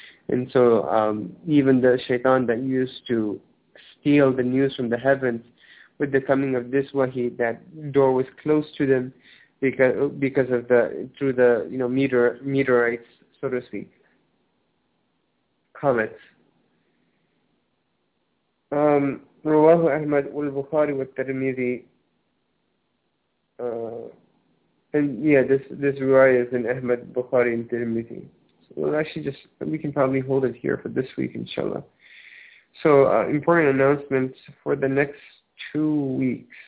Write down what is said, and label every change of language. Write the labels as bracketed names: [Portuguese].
[English] And so even the shaitan that used to steal the news from the heavens with the coming of this wahi, that door was closed to them because of the, through the, you know, meteorites, so to speak, comets. [Arabic] رواه أحمد والبخاري والترمذي. [English] This riwayah is in Ahmad, Bukhari, and Tirmidhi. So we can probably hold it here for this week, inshallah. So important announcements for the next 2 weeks.